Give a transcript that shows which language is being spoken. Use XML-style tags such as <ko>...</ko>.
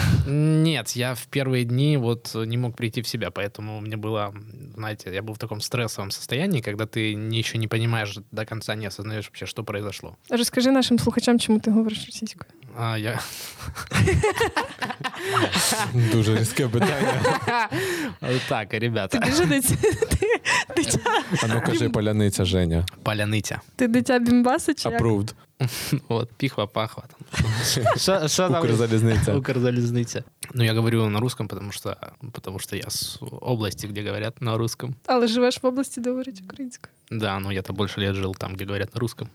<uk>Ні, я в перші дні</uk> <ru>вот не мог прийти в себе, поэтому мне было, знаете,</ru> <uk>я був в</uk> <ru>таком стрессовом состоянии, когда ты ещё не понимаешь до конца, не осознаешь вообще, что произошло.</ru> <uk>Расскажи нашим слухачам, чому ти говориш російською. А я дуже різке питання. Так, ребята. Ти же дитя. А ну кажи, поляниця, Женя. Поляниця. Ти дитя Бімбаса чи як?</uk> <en>Approved.</en> <uk>От, піхва-пахва. Укрзалізниця. Укрзалізниця.</uk> <ru>Ну, я говорю на русском, потому что я з області, де говорят на русском.</ru> <uk>Але живеш в області, де говорять українською.</uk> <ru>Да, ну я-то больше лет жил там, где говорят на русском.</ru>